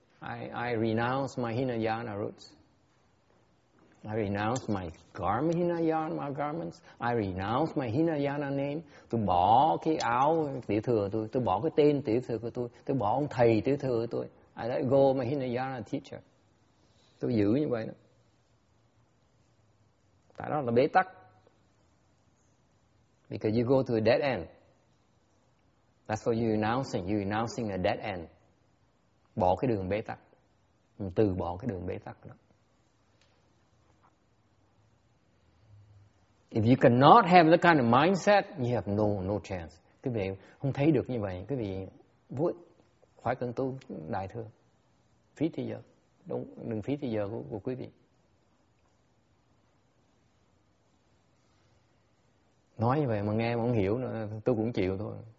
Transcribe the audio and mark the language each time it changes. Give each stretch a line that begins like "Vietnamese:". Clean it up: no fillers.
English: I renounce my Hinayana roots. I renounce my garment, Hinayana, my garments. I renounce my Hinayana name.
Vietnamese: Tôi bỏ cái áo tiểu thừa tôi. Tôi bỏ cái tên tiểu thừa của tôi. Tôi bỏ ông thầy tiểu thừa của tôi.
English: I let go my Hinayana teacher.
Vietnamese: Tôi giữ như vậy đó. Tại đó là bế tắc.
English: Because you go to a dead end. That's what you're announcing. You're announcing a dead end.
Vietnamese: Bỏ cái đường bế tắc. Từ bỏ cái đường bế tắc đó.
English: If you cannot have the kind of mindset, you have no chance.
Vietnamese: Quý vị không thấy được như vậy, quý vị vui, khoái cần tu, đại thừa. Phí thời giờ. Đừng phí thời giờ của quý vị. Nói như vậy mà nghe mà không hiểu nữa, tôi cũng chịu thôi.